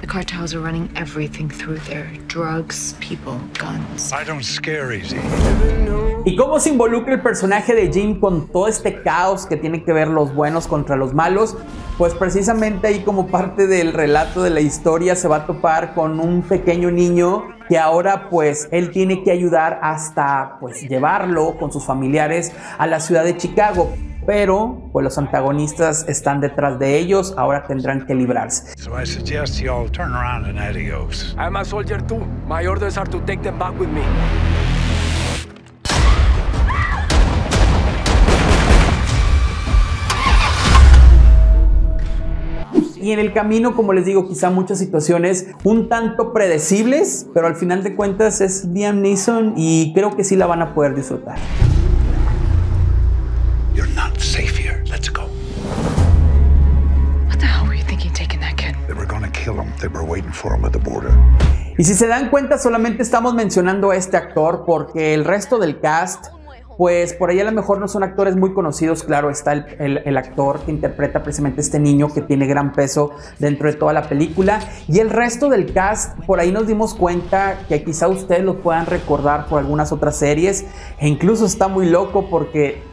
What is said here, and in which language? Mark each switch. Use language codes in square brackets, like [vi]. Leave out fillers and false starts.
[en] The cartels are running everything through there. Drugs, people, guns. I don't scare easy. [es] ¿Y cómo se involucra el personaje de Jim con todo este caos que tiene que ver los buenos contra los malos? Pues precisamente ahí, como parte del relato de la historia, se va a topar con un pequeño niño que ahora pues él tiene que ayudar hasta pues llevarlo con sus familiares a la ciudad de Chicago. Pero pues los antagonistas están detrás de ellos, ahora tendrán que librarse. [en] So I suggest you all turn around and adios. I'm a soldier too. My orders are to take them back with me. [es] Y en el camino, como les digo, quizá muchas situaciones un tanto predecibles, pero al final de cuentas es Liam Neeson y creo que sí la van a poder disfrutar. [en] You're not safe here. Let's go. What the hell were you thinking taking that kid? They were gonna kill him. They were waiting for him at the border. [es] Y si se dan cuenta, solamente estamos mencionando a este actor porque el resto del cast, pues por ahí a lo mejor no son actores muy conocidos. Claro, está el actor que interpreta precisamente este niño que tiene gran peso dentro de toda la película. Y el resto del cast, por ahí nos dimos cuenta que quizá ustedes lo puedan recordar por algunas otras series. E incluso está muy loco porque